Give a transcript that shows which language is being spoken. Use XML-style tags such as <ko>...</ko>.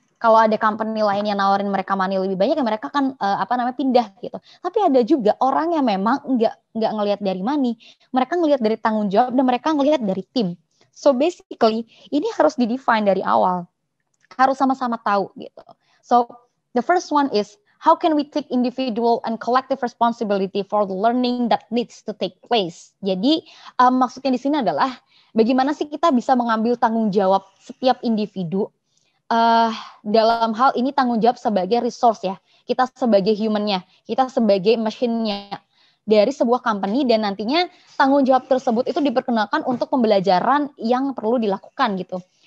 <id>Kalau ada company lain yang nawarin mereka money lebih banyak, ya mereka akan pindah gitu. Tapi ada juga orang yang memang nggak ngelihat dari money, mereka ngelihat dari tanggung jawab dan mereka ngelihat dari tim. So basically ini harus didefine dari awal, harus sama-sama tahu gitu.</id> <en>So the first one is, how can we take individual and collective responsibility for the learning that needs to take place?</en> <id>Jadi maksudnya di sini adalah bagaimana sih kita bisa mengambil tanggung jawab setiap individu dalam hal ini tanggung jawab sebagai resource ya. Kita sebagai humannya, kita sebagai machine-nya dari sebuah company, dan nantinya tanggung jawab tersebut itu diperkenalkan untuk pembelajaran yang perlu dilakukan gitu.</id>